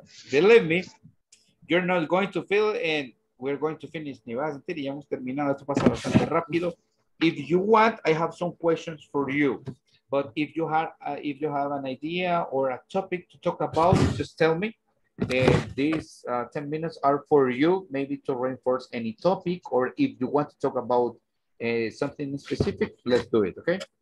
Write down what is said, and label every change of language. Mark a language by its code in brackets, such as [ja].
[en] Believe me, you're not going to feel and we're going to finish. [es] Ni vas a sentir, ya hemos terminado, esto pasa bastante rápido. [en] If you want, I have some questions for you. But if you have an idea or a topic to talk about, just tell me. these 10 minutes are for you, maybe to reinforce any topic, or if you want to talk about something specific, let's do it, okay?